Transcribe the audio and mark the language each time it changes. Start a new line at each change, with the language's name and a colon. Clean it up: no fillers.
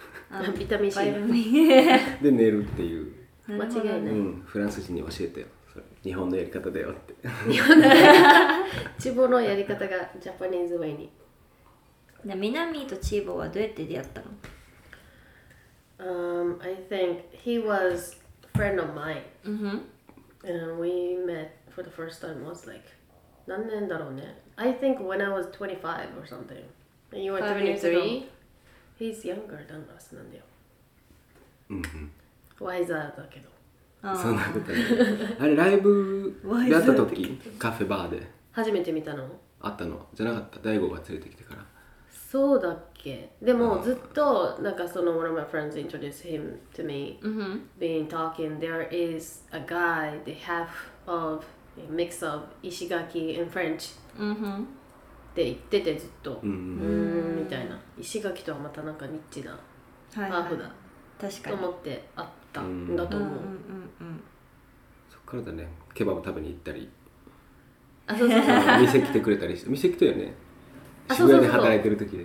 Japanese: あ、ビタミン C で寝るっていう。間違いない、うん、フランス人に教えてよ、それ日本のやり方だよって。日本のチボのやり方がジャパニーズウェイに。南とチボはどうやって出会ったの？
English: I think he was a friend of mine、 mm-hmm. and we met for the first time was like
Japanese: 何年だろうね。
English: I think when I was 25 or somethingAnd you were 23? He's younger than us,
Japanese: なんだよ。うん。
English: Wiser
Japanese: だけど。そんなことない。あれ、ライブやったとき、カフェバーで。初めて見たの？あったの。じゃなかった。Daigo が連れてきてから。そうだっけ。でも、ずっと、なんかその、
English: one of my friends introduced him to me. Been talking, there is a guy, the half of, a mix of 石垣 and French.
Japanese: って言ってて、ずっと、うんうん、うーんみたいな。石垣とはまたなんかニッチなはいはい、ハーフだ確かにと思って会ったんだと思う。そっからだね、ケバブ食べに行ったり、あ、そうそうそう店来てくれたりして、店来たよね、渋谷で働いてる時で、